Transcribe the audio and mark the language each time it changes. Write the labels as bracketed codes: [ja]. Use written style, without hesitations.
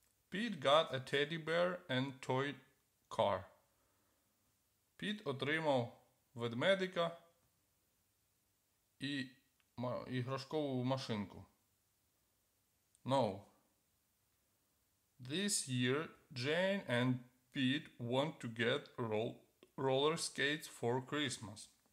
[en] Pete got a teddy bear and toy car. [uk] Піт отримав ведмедика і іграшкову машинку. [en] No. This year Jane and Pete want to get roller skates for Christmas.